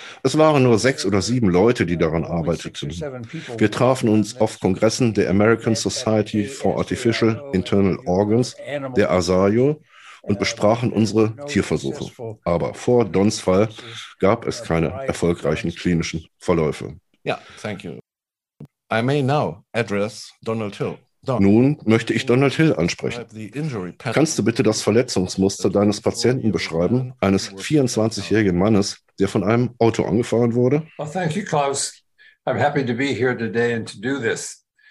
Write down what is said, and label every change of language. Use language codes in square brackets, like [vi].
[de] Es waren nur 6 oder 7 Leute, die daran arbeiteten. Wir trafen uns auf Kongressen der American Society for Artificial Internal Organs, der ASAIO, und besprachen unsere Tierversuche. Aber vor Dons Fall gab es keine erfolgreichen klinischen Verläufe. [en] Ja, thank you. I may now address Donald Hill. [de] Nun möchte ich Donald Hill ansprechen. Kannst du bitte das Verletzungsmuster deines Patienten beschreiben, eines 24-jährigen Mannes, der von einem Auto angefahren wurde? [en] Well, thank you, Klaus. I'm happy to be here today and to do this.